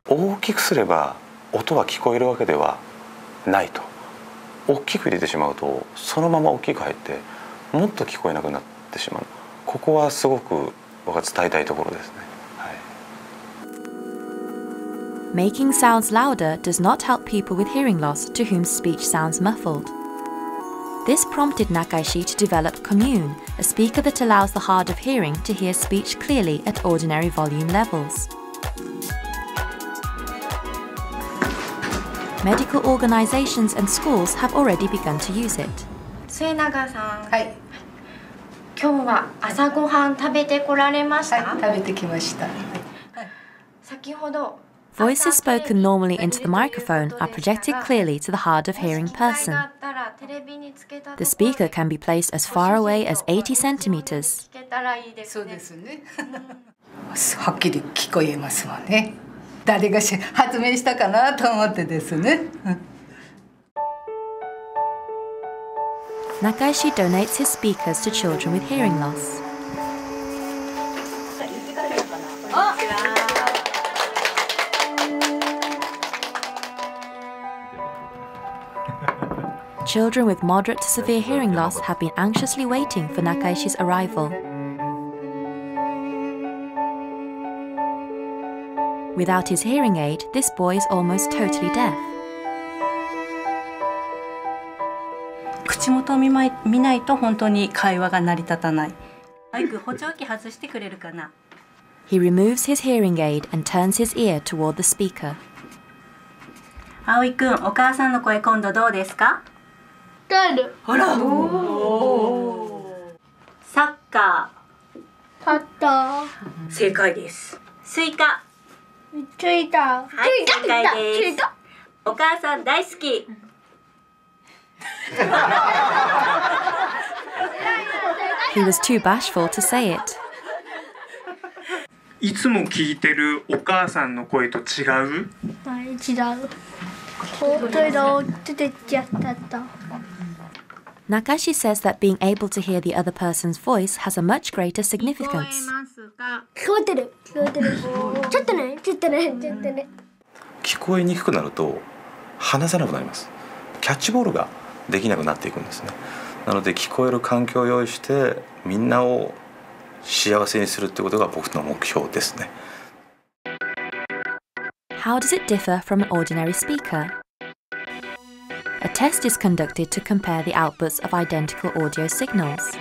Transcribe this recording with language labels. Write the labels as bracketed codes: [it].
[ja] 大きくすれば音は聞こえるわけではないと。大きく入れてしまうとそのまま大きく入ってもっと聞こえなくなってしまう。ここはすごく僕は伝えたいところですね。 [en] Making sounds louder does not help people with hearing loss to whom speech sounds muffled. This prompted Nakaishi to develop Commune, a speaker that allows the hard of hearing to hear speech clearly at ordinary volume levels. Medical organizations and schools have already begun to use it. [ja] 末永さん、はい、今日は朝ごはん食べてこられました？はい、食べてきました。先ほど、 [en] Voices spoken normally into the microphone are projected clearly to the hard of hearing person. The speaker can be placed as far away as 80 centimeters. [ja] そうですね。はっきり聞こえますわね。誰が発明したかなと思ってですね。 [en] Nakaishi donates his speakers to children with hearing loss. Children with moderate to severe hearing loss have been anxiously waiting for Nakaishi's arrival. Without his hearing aid, this boy is almost totally deaf. [ja] 口元を 見ないと本当に会話が成り立たない。マイク補聴器外してくれるかな。 [en] He removes his hearing aid and turns his ear toward the speaker. [ja] 葵くん、お母さんの声今度どうですか？ほら、おお、サッカー、パッター、正解です。スイカ、スイカ、はい、正解です。お母さん大好き。 [en] He was too bashful to say it. [ja] いつも聞いてるお母さんの声と違う？はい、違う。本当に大きく出ちゃった。 [en] Nakaishi says that being able to hear the other person's voice has a much greater significance. [ja] 聞こえてる、聞こえてる。ちょっとね、ちょっとね、ちょっとね。聞こえにくくなると話せなくなります。キャッチボールができなくなっていくんですね。なので聞こえる環境を用意してみんなを幸せにするってことが僕の目標ですね。 [en] How does it differ from an ordinary speaker? A test is conducted to compare the outputs of identical audio signals.